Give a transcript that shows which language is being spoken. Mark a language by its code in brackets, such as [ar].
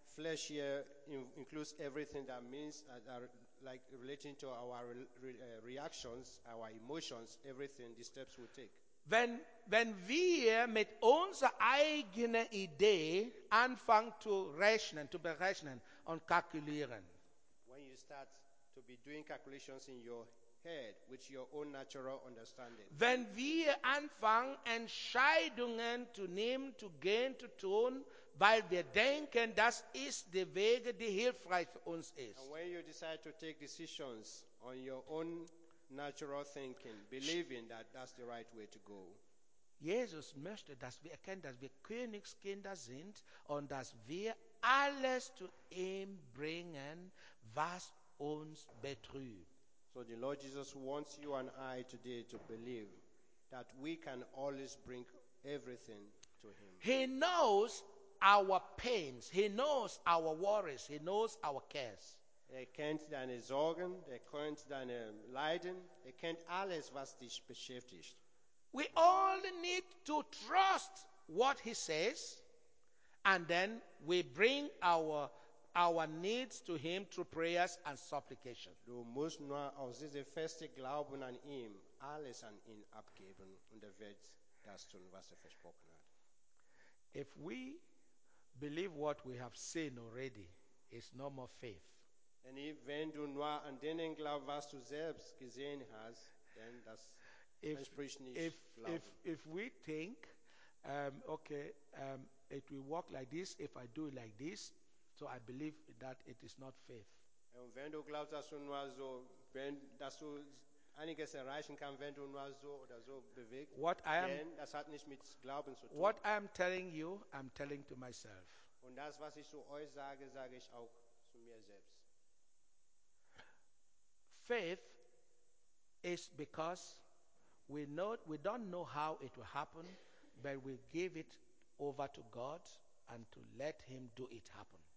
[en] Flesh here includes everything that means like relating to our reactions, our emotions, everything the steps we take. [de] Wenn wir mit unserer eigenen Idee anfangen zu rechnen, zu berechnen und kalkulieren. [en] When you start to be doing calculations in your head with your own natural understanding. [de] Wenn wir anfangen Entscheidungen zu nehmen, zu gehen, zu tun, weil wir denken, das ist der Weg, der hilfreich für uns ist. [en] And when you decide to take decisions on your own natural thinking, believing that that's the right way to go. [de] Jesus möchte, dass wir erkennen, dass wir Königskinder sind und dass wir alles zu ihm bringen, was uns betrübt. [en] So the Lord Jesus wants you and I today to believe that we can always bring everything to him. He knows our pains. He knows our worries. He knows our cares. [de] Er kennt deine Sorgen. Er kennt deine Leiden. Er kennt alles, was dich beschäftigt. [en] We all need to trust what he says and then we bring our needs to him through prayers and supplication. [de] Du musst nur aus diesem festen Glauben an ihm alles an ihn abgeben und er wird das tun, was er versprochen hat. [en] If we believe what we have seen already, it's no more faith. And if [de] wenn du nur an denen glaubst, was du selbst gesehen hast, dann das entspricht nicht Glauben. [en] If we think, it will work like this, if I do it like this, so I believe that it is not faith. [de] Und wenn du glaubst, dass du nur so, wenn dass du einiges erreichen kannst, wenn du nur so oder so bewegst, das hat nicht mit Glauben zu tun. [en] What I am telling you, I'm telling to myself. [de] Und das, was ich zu euch sage, sage ich auch zu mir selbst. [en] Faith is because we don't know how it will happen, but we give it over to God and to let him do it happen.